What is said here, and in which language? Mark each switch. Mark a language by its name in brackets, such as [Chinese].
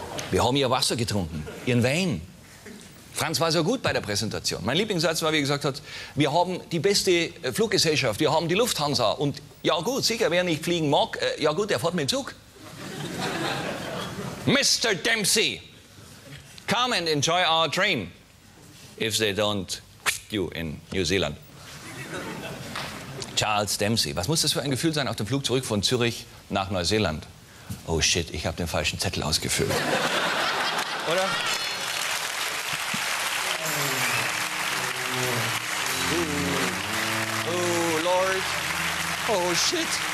[German] Wir haben Ihr Wasser getrunken, Ihren Wein. Franz war so gut bei der Präsentation. Mein Lieblingssatz war, wie er gesagt hat, wir haben die beste Fluggesellschaft, wir haben die Lufthansa. Und ja gut, sicher, wer nicht fliegen mag, ja gut, der fährt mit dem Zug. [English] Mr. Dempsey, come and enjoy our train, if they don't quit you in New Zealand. [German] Charles Dempsey, was muss das für ein Gefühl sein auf dem Flug zurück von Zürich nach Neuseeland? [English] Oh shit, [German] ich habe den falschen Zettel ausgefüllt. Oder? [English] Oh Lord. Oh shit.